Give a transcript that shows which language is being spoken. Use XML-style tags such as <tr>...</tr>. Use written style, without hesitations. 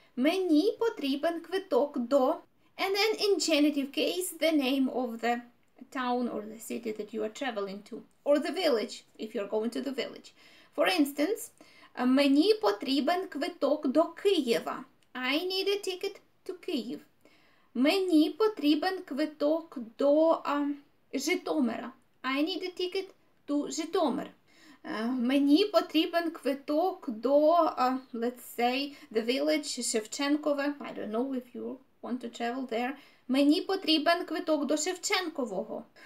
<uk>Мені потрібен квиток до.</uk> <en>And then in genitive case, the name of the town or the city that you are traveling to, or the village, if you're going to the village. For instance,</en> <uk>мені потрібен квиток до Києва.</uk> <en>I need a ticket to Kyiv.</en> <uk>Мені потрібен квиток до Житомира.</uk> <en>I need a ticket to Житомир.</en> <uk>Мені потрібен квиток до,</uk> <en>let's say, the village Шевченкове. I don't know if you want to travel there.</en> <uk>Мені потрібен квиток до Шевченкового.</uk>